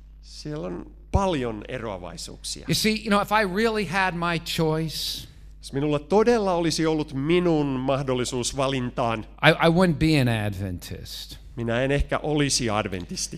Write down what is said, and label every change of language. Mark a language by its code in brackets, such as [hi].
[fi] Siellä on paljon eroavaisuuksia. [en] You see, you know, if I really had my choice, [fi] jos minulla todella olisi ollut minun mahdollisuus valintaan, [en] I wouldn't be an Adventist. [fi] Minä en ehkä olisi adventisti.